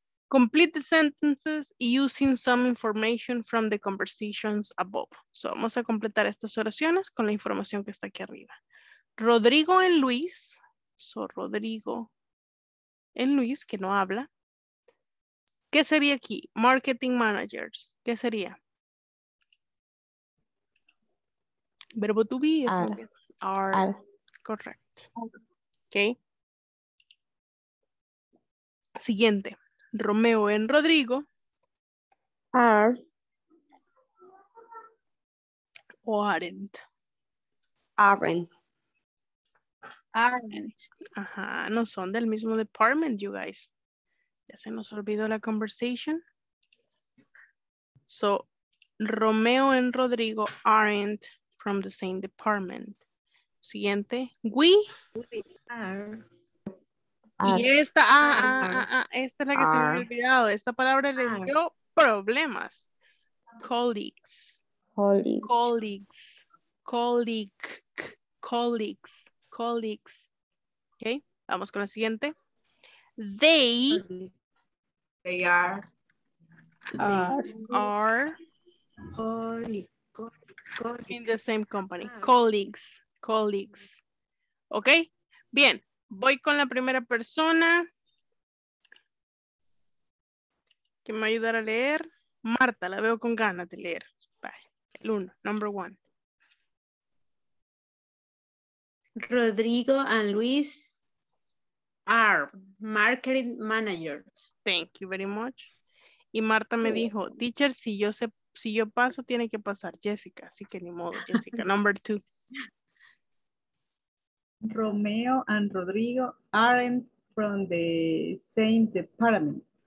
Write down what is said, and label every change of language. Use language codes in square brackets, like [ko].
[en] Complete the sentences using some information from the conversations above. [es] So, vamos a completar estas oraciones con la información que está aquí arriba. Rodrigo and Luis. So, Rodrigo and Luis, que no habla. ¿Qué sería aquí? Marketing managers. ¿Qué sería? Verbo to be. [en] Are. Correct. Okay. [es] Siguiente. Romeo and Rodrigo [en] are or aren't. Aren't. Aren't. [es] Ajá, no son del mismo department, you guys. Ya se nos olvidó la conversation. [en] So, Romeo and Rodrigo aren't from the same department. [es] Siguiente. We [en] are. [es] Y esta, esta es la que se me ha olvidado. Esta palabra les dio problemas. Colleagues. [en] Colleagues. Colleagues. Colleagues. Colleagues. Colleagues. [es] Ok, vamos con la siguiente. They. [en] They are. Are. Colleagues. In the same company. Colleagues. Colleagues. Ok, bien. [es] Voy con la primera persona que me va a ayudar a leer. Marta, la veo con ganas de leer. Bye. El uno, number one. [en] Rodrigo and Luis are marketing managers. Thank you very much. [es] Y Marta me dijo, teacher, si yo paso, tiene que pasar Jessica. Así que ni modo, Jessica. Number two. [en] Romeo and Rodrigo aren't from the same department.